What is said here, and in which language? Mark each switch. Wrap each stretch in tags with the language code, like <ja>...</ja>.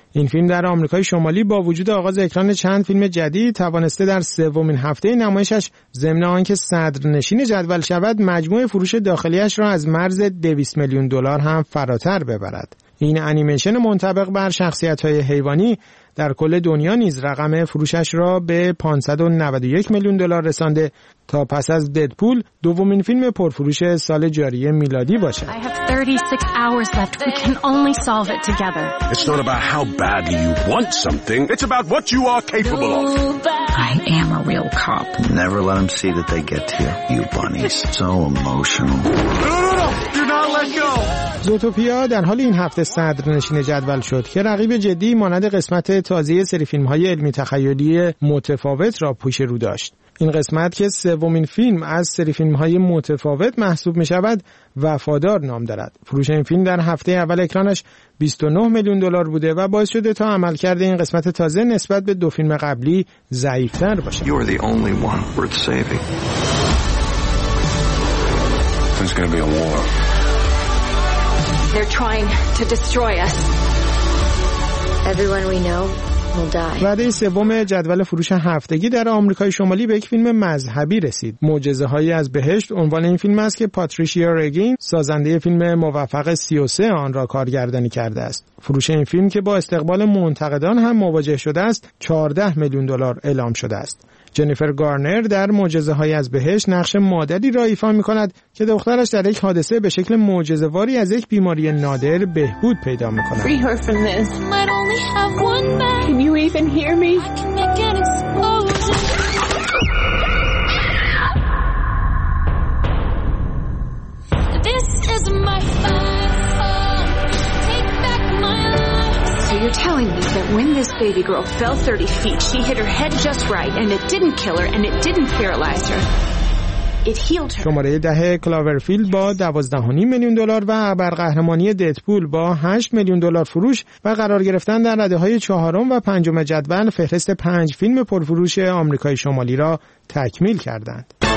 <fa>این فیلم در آمریکای شمالی با وجود آغاز اکران چند فیلم جدید توانسته در سومین هفته نمایشش ضمن آنکه صدرنشین جدول شود مجموع فروش داخلیش را از مرز 200 میلیون دلار هم فراتر ببرد. این انیمیشن منطبق بر شخصیت‌های حیوانی در کل دنیا نیز رقم فروشش را به 591 میلیون دلار رسانده تا پس از ددپول دومین فیلم پرفروش سال جاری میلادی باشد.</fa> <en>I have 36 hours left. We can only solve it together. It's not about how badly you want something. It's about what you are capable of. I am a real cop. Never let them see that they get to you. You bunnies. So emotional.</en> <fa>زوتوپیا در حال این هفته صدرنشین جدول شد که رقیب جدی مانند قسمت تازه سری فیلم‌های علمی تخیلی متفاوت را پیش رو داشت. این قسمت که سومین فیلم از سری فیلم‌های متفاوت محسوب می‌شود، وفادار نام دارد. فروش این فیلم در هفته اول اکرانش 29 میلیون دلار بوده و باعث شده تا عملکرد این قسمت تازه نسبت به دو فیلم قبلی ضعیف‌تر باشد.</fa> <en>You're the only one worth saving. There's going to be a war. They're trying to destroy us. Everyone we know.</en> <fa>وعده سوم جدول فروش هفتگی در آمریکای شمالی به یک فیلم مذهبی رسید. معجزه‌هایی از بهشت عنوان این فیلم است که پاتریشیا رگین سازنده فیلم موفق 33 آن را کارگردانی کرده است. فروش این فیلم که با استقبال منتقدان هم مواجه شده است 14 میلیون دلار اعلام شده است. جنیفر گارنر در معجزه‌هایی از بهشت نقش مادری را ایفا می‌کند که دخترش در یک حادثه به شکل معجزه‌واری از یک بیماری نادر بهبود پیدا می‌کند.</fa> <en>Can you even hear me? I can make an explosion. This is my final. Take back my life. So you're telling me that when this baby girl fell 30 feet, she hit her head just right and it didn't kill her and it didn't paralyze her.</en> <fa>شماره 10 کلاورفیلد با 12.5 میلیون دلار و ابرقهرمانی ددپول با 8 میلیون دلار فروش و قرار گرفتن در رده‌های 4 و 5 جدول فهرست 5 فیلم پرفروش آمریکای شمالی را تکمیل کردند.</fa>